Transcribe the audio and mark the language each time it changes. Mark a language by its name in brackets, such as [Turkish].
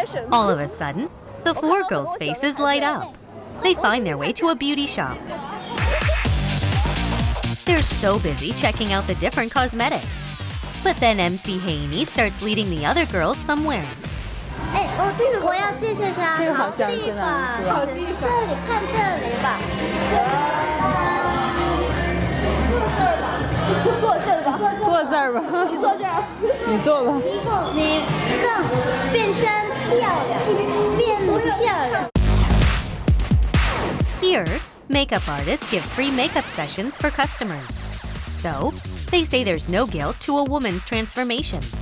[English] All of a sudden, the four girls' faces light up. They find their way to a beauty shop. They're so busy checking out the different cosmetics. But then MC Haini starts leading the other girls somewhere. [Chinese] 哎，哦，这个我要记下下。这个好像真的。这里看这里吧。坐这儿吧。坐这儿吧。坐这儿吧。你坐吧。你坐吧。你坐。你更变身漂亮，变漂亮。Here, [English] makeup artists give free makeup sessions for customers. So, they say there's no guilt to a woman's transformation.